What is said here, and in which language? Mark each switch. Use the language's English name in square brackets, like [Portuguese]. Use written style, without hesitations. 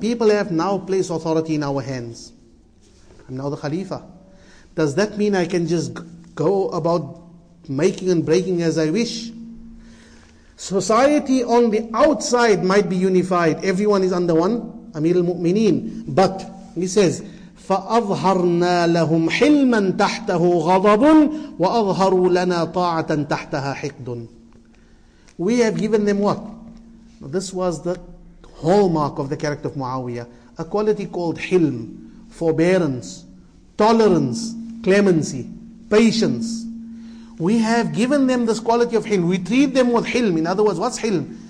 [English] People have now placed authority in our hands. I'm now the Khalifa. Does that mean I can just go about making and breaking as I wish? Society on the outside might be unified. Everyone is under one Amir al-Mu'mineen. [Arabic] But he says, فَأَظْهَرْنَا لَهُمْ حِلْمًا تَحْتَهُ غَضَبٌ وَأَظْهَرُوا لَنَا طَاعَةً تَحْتَهَا حِقْدٌ. [English] We have given them what? This was the hallmark of the character of Muawiyah. A quality called hilm, forbearance, tolerance, clemency, patience. We have given them this quality of hilm. We treat them with hilm. In other words, what's hilm?